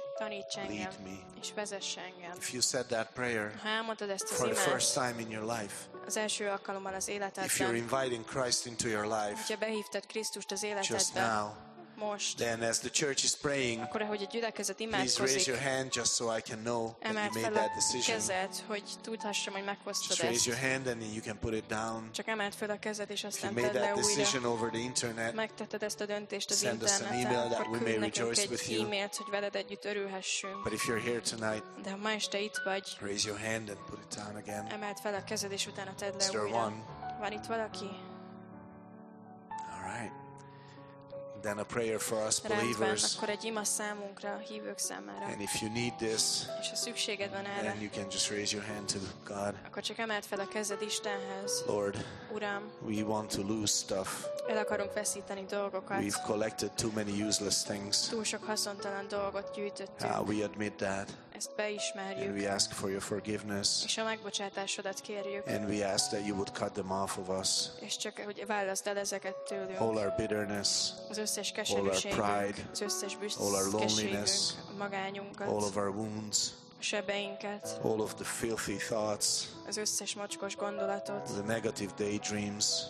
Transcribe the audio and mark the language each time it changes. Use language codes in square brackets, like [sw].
[hu] Taníts engem. [en] Lead me. [hu] És vezess engem. [en] If you said that prayer. [hu] Ha elmondtad ezt az imát. [en] For the first time in your life. [hu] Az első alkalommal az életedben. [en] If you're inviting Christ into your life. [hu] Hogyha behívtad Krisztust az életedbe. [en] Just now. [hu] Most. [en] Then as the church is praying, [hu] akkor, ahogy a gyülekezet imádkozik, [en] please raise your hand just so I can know that you made that decision. [hu] Kezed, hogy tudhassam, hogy meghoztad [en] just raise your hand and you can put it down. [hu] Csak emeld fel a kezed, és aztán [en] if you made that decision over the internet, [hu] megtetted ezt a döntést az [en] send us an email that we may rejoice with you. [hu] E-mailt, hogy veled együtt örülhessünk. [en] But if you're here tonight, [hu] de ha ma este itt vagy, [en] raise your hand and put it down again. [hu] Emeld fel a kezed, és utána tedd le újra. Van itt valaki? [en] All right. Then a prayer for us believers. [hu] Akkor egy ima számunkra, hívők számára. [en] And if you need this, [hu] és ha szükséged van erre, [en] then you can just raise your hand to God. [hu] Akkor csak emeld fel a kezed Istenhez. [en] Lord, [hu] Uram, [en] we want to lose stuff. [hu] El akarunk veszíteni dolgokat. [en] We've collected too many useless things. [hu] Túl sok haszontalan dolgot gyűjtöttünk. [en] We admit that. [hu] Ezt beismerjük. [en] And we ask for your forgiveness. [hu] És a megbocsátásodat kérjük. [en] And we ask that you would cut them off of us. [hu] És csak hogy válaszd el ezeket tőlünk. [en] All our bitterness. [hu] Az összes keserűségünk. [en] All our pride. [hu] A magányunkat. [en] All of our wounds. [hu] Sebeinket. [en] All of the filthy thoughts. [hu] Az összes mocskos gondolatot. [en] The negative daydreams.